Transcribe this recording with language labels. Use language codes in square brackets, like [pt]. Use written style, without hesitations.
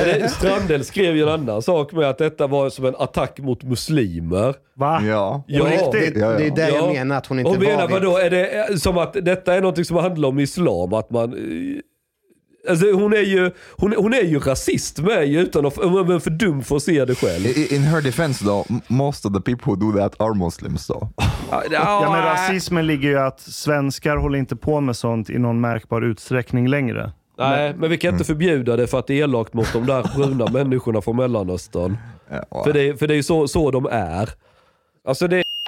[sv] Strandhäll skrev ju en annan sak med att detta var som en attack mot muslimer. Va? Ja. Det är det jag menar att hon inte menar, vadå, är det som att detta är något som handlar om islam, att man Alltså, hon är ju rasist med, utan att för dum för att se det själv. [en] In her defense though, most of the people who do that are Muslims though. [sv] Ja, men rasismen ligger ju att svenskar håller inte på med sånt i någon märkbar utsträckning längre. Nej, men vi kan inte förbjuda det för att det är elakt mot de där bruna människorna från Mellanöstern. För det är ju så de är. Alltså det...